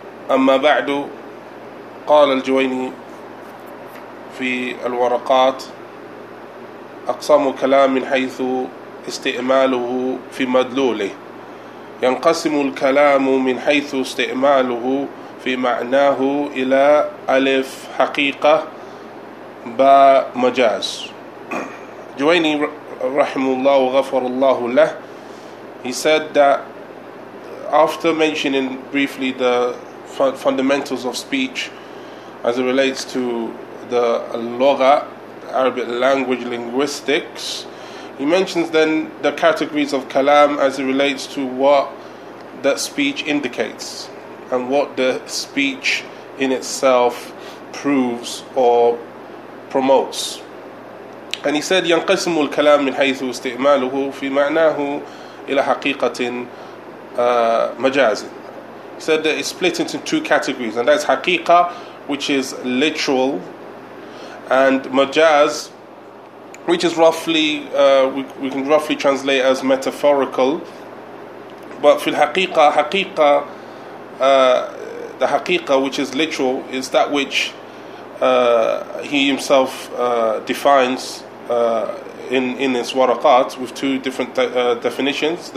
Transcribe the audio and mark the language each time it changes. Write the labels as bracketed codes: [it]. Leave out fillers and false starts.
[ar] أما بعد، قال الجويني في الورقات: أقسام كلام من حيث استعماله في مدلوله. ينقسم الكلام من حيث استعماله في معناه إلى ألف حقيقة، با مجاز. جويني رحمه الله وغفر الله له, [en] he said that after mentioning briefly the fundamentals of speech as it relates to the logha, Arabic language, linguistics, he mentions then the categories of kalam as it relates to what that speech indicates and what the speech in itself proves or promotes. And he said, [ar] ينقسم الكلام من حيث استعماله في معناه إلى حقيقة مجاز. [en] He said that it's split into two categories, and that's حقيقة, which is literal, and مجاز, which is roughly, we can roughly translate as metaphorical. But [ar] في الحقيقة, [en] حقيقة, the حقيقة, which is literal, is that which he himself defines in his waraqat with two different definitions.